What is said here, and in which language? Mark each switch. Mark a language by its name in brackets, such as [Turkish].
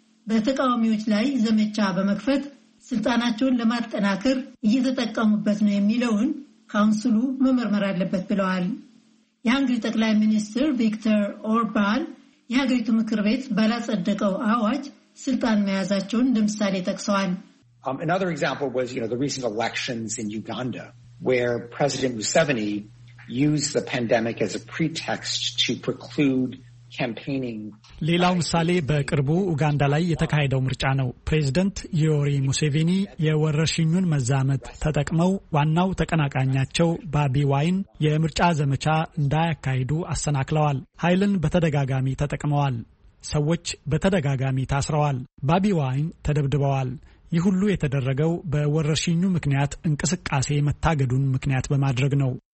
[Amharic] በተቃዋሚዎች ላይ ዘመቻ በመክፈት ስልጣናቸውን ለማጠናከር እየተጠቀሙበት ነው የሚለውን ካውንስሉ መመርመር አለበት ብለዋል። የሃንግሪ ጠቅላይ ሚኒስትር ቪክተር ኦርባን የሀገሪቱ ምክር ቤት ባላጸደቀው አዋጅ ስልጣን መያዛቸውን እንደ ምሳሌ ጠቅሰዋል። [English] Another example was, you know, the recent elections in Uganda, where President Museveni used the pandemic as a pretext to preclude campaigning. [Amharic] ሌላው ምሳሌ በቅርቡ ኡጋንዳ ላይ የተካሄደው ምርጫ ነው። ፕሬዝደንት ዮሪ ሙሴቪኒ የወረሽኙን መዛመት ተጠቅመው ዋናው ተቀናቃኛቸው ባቢ ዋይን የምርጫ ዘመቻ እንዳያካሂዱ አሰናክለዋል። ኃይልን በተደጋጋሚ ተጠቅመዋል። ሰዎች በተደጋጋሚ ታስረዋል። ባቢ ዋይን ተደብድበዋል። ይህ ሁሉ የተደረገው በወረርሽኙ ምክንያት እንቅስቃሴ መታገዱን ምክንያት በማድረግ ነው።